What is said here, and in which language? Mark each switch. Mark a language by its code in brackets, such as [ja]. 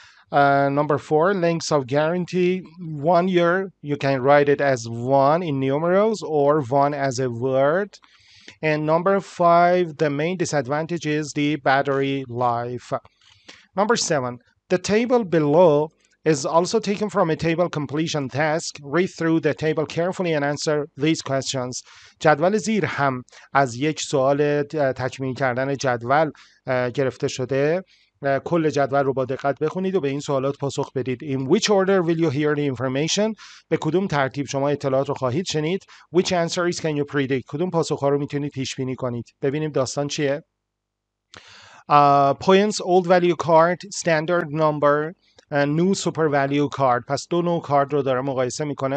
[en] Number four, length of guarantee. 1 year, you can write it as one in numerals or one as a word. And number five, the main disadvantage is the battery life. Number seven, the table below is also taken from a table completion task. Read through the table carefully and answer these questions. [fa] جدول زیر هم از یک سوال تکمیل کردن جدول گرفته شده. کل جدول رو با دقت بخونید و به این سوالات پاسخ بدید. [en] In which order will you hear the information? [fa] به کدوم ترتیب شما اطلاعات رو خواهید شنید? [en] Which answers can you predict? [fa] کدوم پاسخ‌ها رو میتونید پیش بینی کنید؟ ببینیم داستان چیه. [en] Points, old value card, standard number. New super value card. [fa] پس دو نوع کارت رو داره مقایسه میکنه.